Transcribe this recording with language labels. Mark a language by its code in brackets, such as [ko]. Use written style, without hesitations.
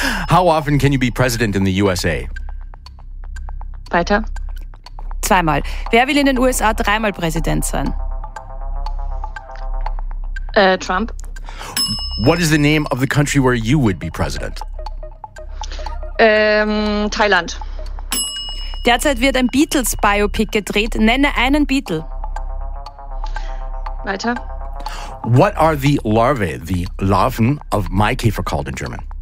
[en] How often can you be president in the USA? [de] Weiter. Zweimal. Wer will in den USA dreimal Präsident sein? Trump. [en] What is the name of the country where you would be president? [de] Thailand. Derzeit wird ein Beatles-Biopic gedreht. Nenne einen Beatle. Weiter. [en] What are the larvae, the larven of my Käfer called in German?